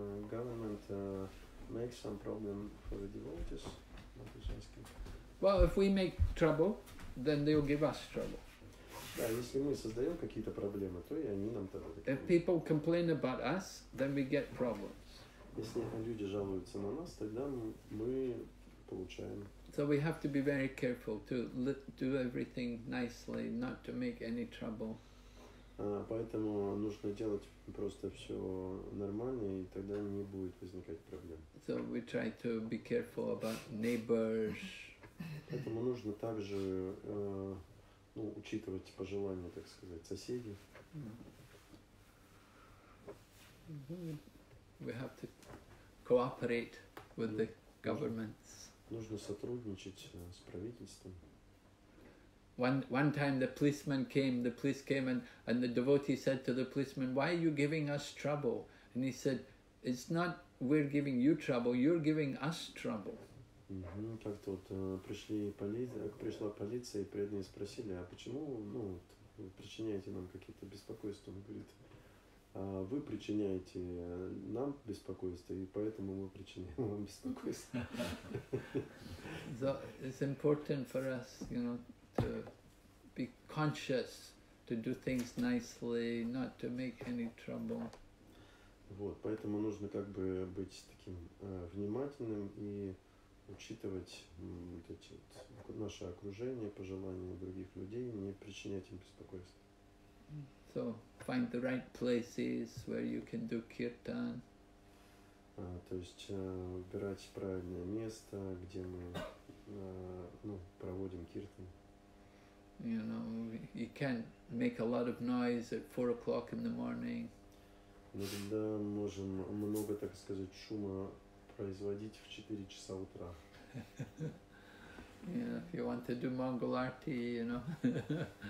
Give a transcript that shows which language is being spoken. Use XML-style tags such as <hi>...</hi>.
<en>Government makes some problem for the devotees, not just asking. Well, if we make trouble, then they'll give us trouble.</en> <ru>Да, если мы создаем какие-то проблемы, то и они нам тогда.</ru> <en>If people complain about us, then we get problems.</en> <ru>Если люди жалуются на нас, тогда мы получаем.</ru> <en>So we have to be very careful to do everything nicely, not to make any trouble.</en> <ru>Поэтому нужно делать просто все нормально, и тогда не будет возникать проблем.</ru> <en>So we try to be careful about neighbors.</en> <ru>Поэтому нужно также учитывать пожелания, так сказать, соседей.</ru> <en>We have to cooperate with the governments.</en> <ru>нужно сотрудничать с правительством.</ru> <en>One time the policeman came, and the devotee said to the policeman, "Why are you giving us trouble?" And he said, "It's not we're giving you trouble, you're giving us trouble." Mm-hmm.</en> <ru>Как-то вот пришла полиция, и преданные спросили, а почему, ну, вот, вы причиняете нам какие-то беспокойства? Он говорит, а вы причиняете нам беспокойство, и поэтому мы причиняем вам беспокойство.</ru> <en>So it's important for us, you know, to be conscious, to do things nicely, not to make any trouble.</en> <ru>Вот, поэтому нужно как бы быть таким внимательным и учитывать вот эти вот наше окружение, пожелания других людей, не причинять им беспокойство.</ru> <en>So find the right places where you can do kirtan.</en> <ru>То есть выбирать правильное место, где мы проводим киртан.</ru> <en>You know, you can't make a lot of noise at 4 o'clock in the morning.</en> <ru>Мы иногда можем много, так сказать, шума производить в 4 часа утра.</ru> <en>Yeah, if you want to do Mangal Arti, you know.</en>